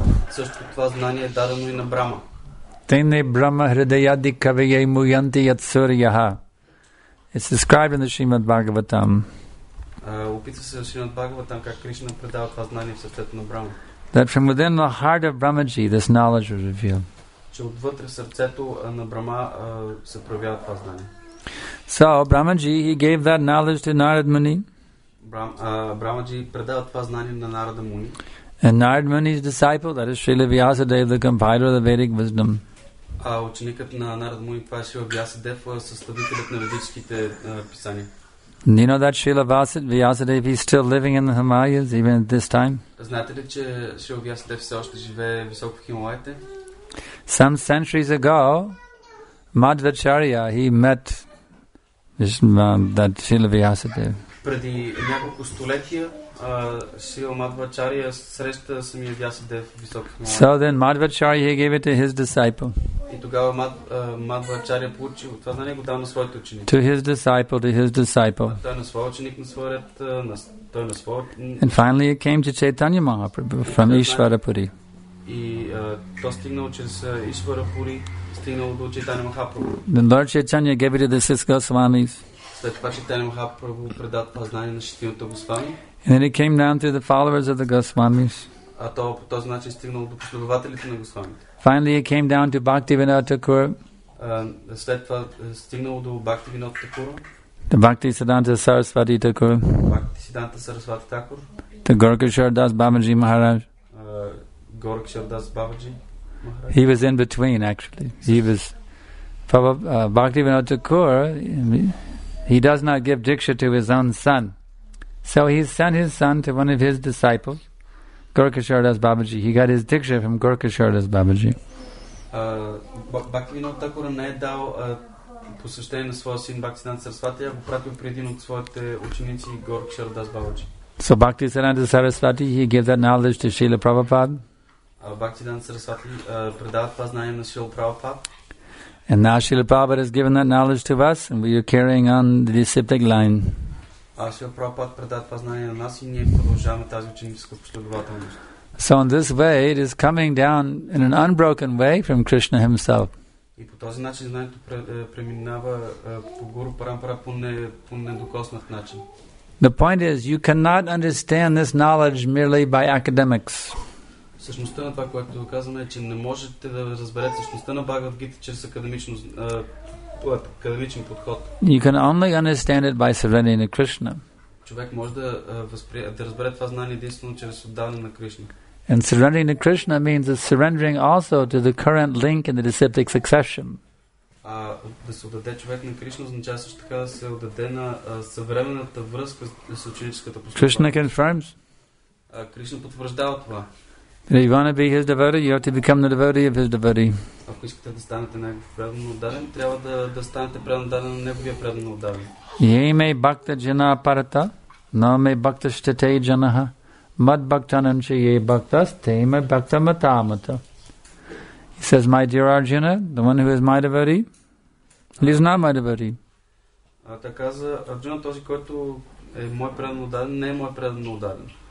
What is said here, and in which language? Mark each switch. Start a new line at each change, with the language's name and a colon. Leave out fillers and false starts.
Bulgarian: Същото това знание е дадено и на Брама.
Sanskrit: Тене Брама хридаяди кавие муянти ят сурьяха.
English: It's described in the Srimad Bhagavatam.
Bulgarian: Опитва се в Srimad Bhagavatam как Кришна предава това знание в сърцето на Брама.
English: That from within the heart of Brahmaji this knowledge was revealed.
Bulgarian: Че отвътре сърцето на Брама се проявява това знание.
English: So Brahmaji, he gave that knowledge to Narad Muni.
Bulgarian: Брамаджи предава това знание на Нарада Муни.
English: And Narad Muni's disciple, that is Srila Vyasadeva, the compiler of the Vedic wisdom.
Bulgarian: Ученикът на Нарада Муни, това е Шрила Вясадева, съставителят на ведическите писания.
English: You know that Srila Vyasadeva is still living in the Himalayas even at this time?
Bulgarian: Знаете ли, че Шрила Вясадева все още живее високо в Хималаите?
English: Some centuries ago, Madhvacharya, he met that Srila Vyasadeva.
Bulgarian: Преди няколко столетия Шрила Мадхвачария среща самия Вясадев високо в Хималаите.
English: So then Madhvacharya he gave it to his disciple.
Bulgarian: И тогава Мадхвачария получи това знание, го дал на своите ученици.
English: To his disciple.
Bulgarian: Той на своя ученик, на своя ред, той на своя.
English: And finally it came to Chaitanya Mahaprabhu from Ishwarapuri.
Bulgarian: И то стигнало чрез Ishwarapuri, стигнало до Chaitanya Mahaprabhu.
English: Then Lord Chaitanya gave it to the six Goswamis.
Bulgarian: След това Чайтанья Махапрабху предава това знание на шестимата госвами.
English: And then it came down to the followers of the Goswamis.
Bulgarian: А то по този начин стигнало до последователите на госвамите.
English: Finally it came down to Bhaktivinoda Thakur.
Bulgarian: След това стигнало до Bhaktivinoda Thakur.
English: The Bhaktisiddhanta Saraswati Thakur. Bhaktisiddhanta Saraswati Thakur. The Gorkhashwar Das Babaji Maharaj. Gorkhashwar Das Babaji Maharaj. He was in between actually. He was Bhaktivinoda Thakur. He does not give diksha to his own son. So he sent his son to one of his disciples, Gorkhashwar Das Babaji. He got his diksha from Gorkhashwar Das Babaji.
Bulgarian: Bhaktivinoda Thakur не е дал посещение на своя син Bhaktisiddhanta Saraswati, а го пратил при един от своите ученици Gorkhashwar Das Babaji.
English: So Bhaktisiddhanta Saraswati, he gave that knowledge to Srila Prabhupada.
Bulgarian: Bhaktisiddhanta Saraswati предава това знание на Srila Prabhupada.
English: And now Srila Prabhupada has given that knowledge to us and we are carrying on the disciplic line.
Bulgarian: Srila Prabhupada предава това знание на нас и ние продължаваме тази ученическа последователност.
English: So in this way it is coming down in an unbroken way from Krishna himself.
Bulgarian: И по този начин знанието преминава по Гуру Парампара по недокоснат начин.
English: The point is you cannot understand this knowledge merely by academics.
Bulgarian: Същността на това, което казваме, е, че не можете да разберете същността на Бхагавад Гита чрез академичен подход.
English: You can only understand it by surrendering to Krishna.
Bulgarian: Човек може да разбере това знание единствено чрез отдаване на Кришна.
English: And surrendering to Krishna means a surrendering also to the current link in the disciplic succession.
Bulgarian: А да се отдаде човек на Кришна означава също така да се отдаде на съвременната връзка с ученическата
English: постъпка. Krishna confirms.
Bulgarian: Кришна потвърждава това.
English: If you want to be his devotee, you have to become the devotee of his devotee.
Bulgarian: Ако искате да станете негов преданно отдаден, трябва да станете преданно на неговия преданно отдаден.
Sanskrit: Яме бхакта джана парата, наме бхакта штете джанаха, мад бхактанам че яме бхактас, теме бхакта матамата.
English: He says, my dear Arjuna, the one who is my devotee, he is not my devotee.
Bulgarian: Та каза, Арджуна, този, който е мой преданно отдаден, не е мой преданно отдаден.